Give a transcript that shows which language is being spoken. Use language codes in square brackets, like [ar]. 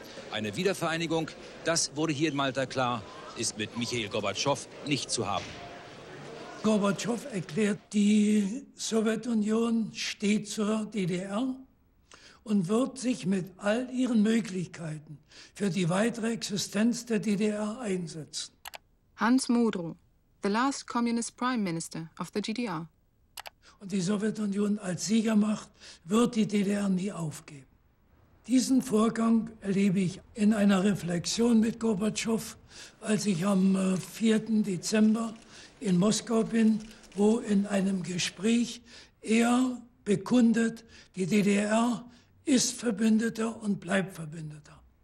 [de] Eine Wiedervereinigung, das wurde hier in Malta klar, ist mit Michail Gorbatschow nicht zu haben. Gorbatschow erklärt, die Sowjetunion steht zur DDR und wird sich mit all ihren Möglichkeiten für die weitere Existenz der DDR einsetzen. [en] Hans Modrow, the last communist prime minister of the GDR. [de] Und die Sowjetunion als Siegermacht wird die DDR nie aufgeben. Diesen Vorgang erlebe ich in einer Reflexion mit Gorbatschow, als ich am 4. Dezember in Moskau bin, wo in einem Gespräch er bekundet, die DDR ist Verbündeter und bleibt Verbündeter.